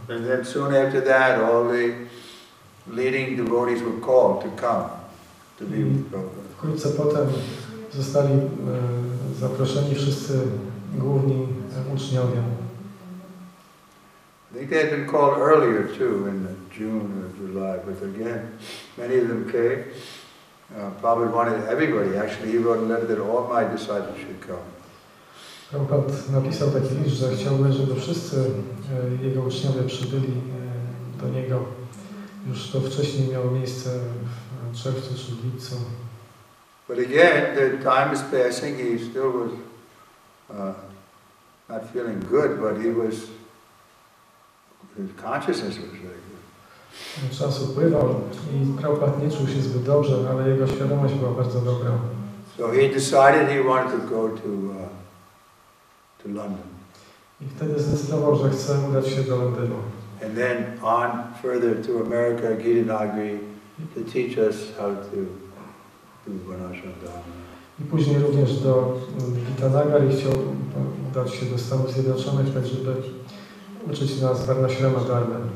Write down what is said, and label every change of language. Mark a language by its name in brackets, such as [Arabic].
[English] And then soon after that all the leading devotees were called to come to be with Prabhupada. [Polish] Wkrótce potem zostali zaproszeni wszyscy główni uczniowie. [English] I think they had been called earlier too, in June or July, but again, many of them came. Prabhupada wanted everybody, actually he wrote a letter that all my disciples should come. [Polish] Prabhupada napisał taki list, że chciałby, żeby wszyscy jego uczniowie przybyli do niego. Już to wcześniej miało miejsce w czerwcu czy lipcu. [English] But again, the time is passing, he still was not feeling good, but he was... His consciousness was very good. [Polish] Czas upływał i Prabhupada nie czuł się zbyt dobrze, ale jego świadomość była bardzo dobra. [English] So he decided he wanted to go to London. [Polish] I wtedy zdecydował, że chce udać się do Londynu. [English] And then on further to America, Giridhari, to teach us how to do Vanashram Dharma. [Polish] I później również do Gitanagar i chciał udać się do Stanów Zjednoczonych, tak żeby uczyć nas Varnashrama Dharma.